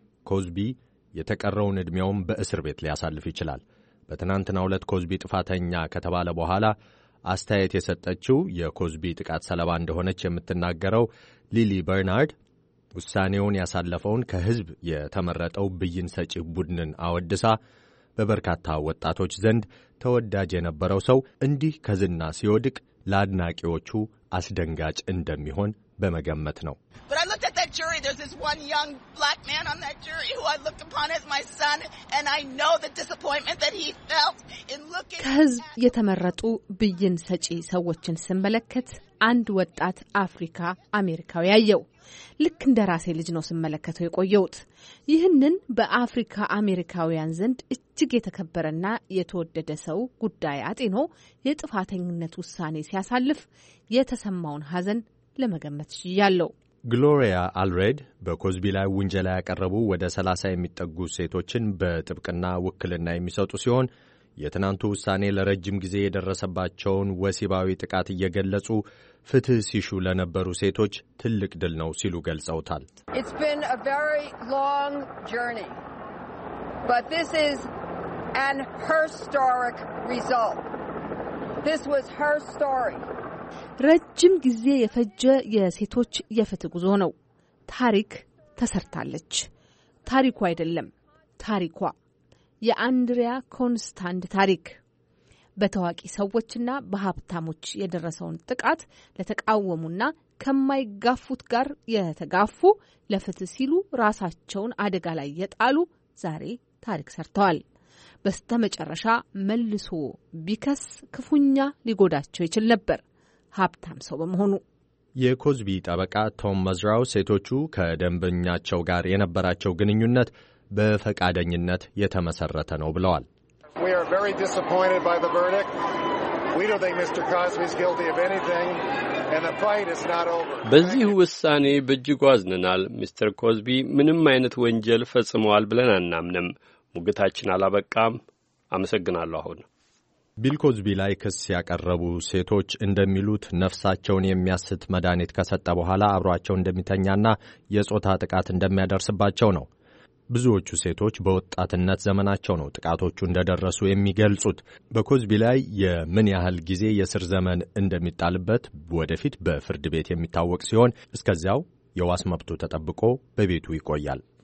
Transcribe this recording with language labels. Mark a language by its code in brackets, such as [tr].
[am] ኮዝቢ የተቀረውን እድሜውን በእስር ቤት ሊያሳልፍ ይችላል። በትናንትናው ዕለት ኮዝቢ ጥፋተኛ ከተባለ በኋላ አስተያየት የሰጠችው የኮዝቢ ጥቃት ሰለባ እንደሆነች የምትናገረው ሊሊ በርናርድ ውሳኔውን ያሳለፈውን ከህዝብ የተመረጠው ብይን ሰጪ ቡድንን አወድሳ በበርካታ ወጣቶች ዘንድ ተወዳጅ የነበረው ሰው እንዲህ ከዝና ሲወድቅ ለአድናቂዎቹ አስደንጋጭ እንደሚሆን በመገመት ነው። [en] Jury, there's this one young black man on that jury who I looked upon as my son, and I know the disappointment that he felt in looking at his [am] የተመረጡ ብይን ሰጪ ሰዎችን ስመለከት አንድ ወጣት አፍሪካ አሜሪካዊ ያየው ልክ እንደራሴ ልጅ ነው ስመለከተው የቆየውት። ይህንን በአፍሪካ አሜሪካውያን ዘንድ እጅግ የተከበረና የተወደደ ሰው ጉዳይ አጥኖ የጥፋተኝነት ውሳኔ ሲያሳልፍ የተሰማውን ሐዘን ለመገመት ይያለው። Gloria Allred በኮዝቢ ላይ ወንጀል ያቀረቡ ወደ 30 የሚጠጉ ሴቶችን በጥብቅና ውክልና የሚሰጡ ሲሆን የትናንቱ ውሳኔ ለረጅም ጊዜ የደረሰባቸውን ወሲባዊ ጥቃት እየገለጹ ፍትህ ሲሹ ለነበሩ ሴቶች ትልቅ ድል ነው ሲሉ ገልጸውታል። [en] It's been a very long journey, but this is an historic result. This was her story. [am] ረጅም ጊዜ የፈጀ የሴቶች የፍትህ ጉዞ ነው። ታሪክ ተሰርታለች። ታሪኩ አይደለም፣ ታሪኳ የአንድሪያ ኮንስታንት ታሪክ። በታዋቂ ሰዎችና በሀብታሞች የደረሰውን ጥቃት ለተቃወሙና ከማይጋፉት ጋር የተጋፉ ለፍትህ ሲሉ ራሳቸውን አደጋ ላይ የጣሉ ዛሬ ታሪክ ሰርተዋል። በስተመጨረሻ መልሶ ቢከስ ክፉኛ ሊጎዳቸው ይችል ነበር። ሀብታም ሰው በመሆኑ የኮዝቢ ጠበቃ ቶም መዝራው ሴቶቹ ከደንበኛቸው ጋር የነበራቸው ግንኙነት በፈቃደኝነት የተመሰረተ ነው ብለዋል። [en] We are very disappointed by the verdict. We don't think Mr. Cosby is guilty of anything and the fight is not over. [am] በዚህ ውሳኔ በእጅጉ አዝነናል። ሚስተር ኮዝቢ ምንም አይነት ወንጀል ፈጽመዋል ብለን አናምንም። ሙግታችን አላበቃም። አመሰግናለሁ። አሁን ቢል ኮዝቢ ላይ ክስ ያቀረቡ ሴቶች እንደሚሉት ነፍሳቸውን የሚያስት መድኃኒት ከሰጠ በኋላ አብሯቸው እንደሚተኛና የጾታ ጥቃት እንደሚያደርስባቸው ነው። ብዙዎቹ ሴቶች በወጣትነት ዘመናቸው ነው ጥቃቶቹ እንደደረሱ የሚገልጹት። በኮዝቢ ላይ የምን ያህል ጊዜ የስር ዘመን እንደሚጣልበት ወደፊት በፍርድ ቤት የሚታወቅ ሲሆን እስከዚያው የዋስ መብቱ ተጠብቆ በቤቱ ይቆያል።